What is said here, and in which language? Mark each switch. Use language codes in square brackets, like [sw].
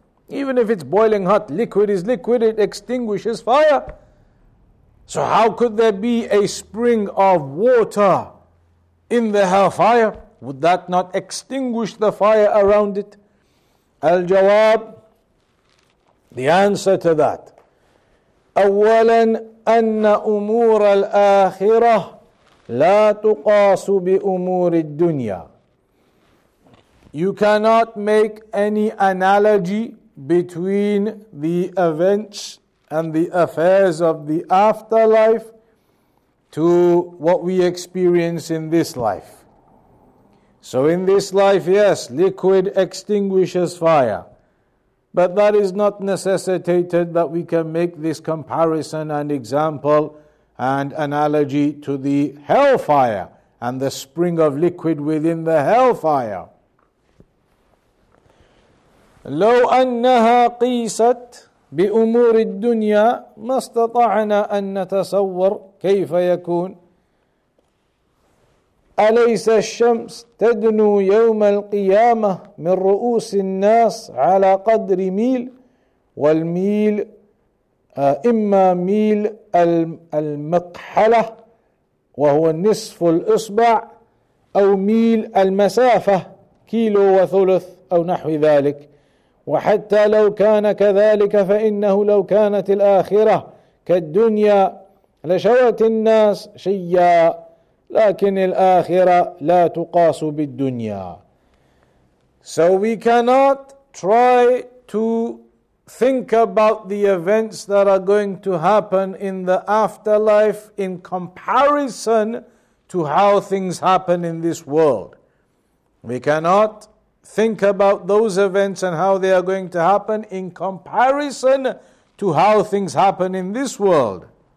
[en] Even if it's boiling hot, liquid is liquid, it extinguishes fire. So how could there be a spring of water in the hellfire? Would that not extinguish the fire around it? Al-Jawab, the answer to that. [ar] أولاً أن أمور الآخرة لا تقاس بأمور الدنيا. [en] You cannot make any analogy between the events and the affairs of the afterlife to what we experience in this life. So in this life, yes, liquid extinguishes fire. But that is not necessitated that we can make this comparison and example and analogy to the hellfire and the spring of liquid within the hellfire. [ar] لو أنها قيست بأمور الدنيا ما استطعنا أن نتصور كيف يكون أليس الشمس تدنو يوم القيامة من رؤوس الناس على قدر ميل والميل إما ميل المقحلة وهو نصف الإصبع أو ميل المسافة كيلو وثلث أو نحو ذلك وحتى لو كان كذلك فإنه لو كانت الآخرة كالدنيا لشوت الناس شيا لكن الآخرة لا تقاس بالدنيا. [en] So we cannot try to think about the events that are going to happen in the afterlife in comparison to how things happen in this world. We cannot think about those events and how they are going to happen in comparison to how things happen in this world.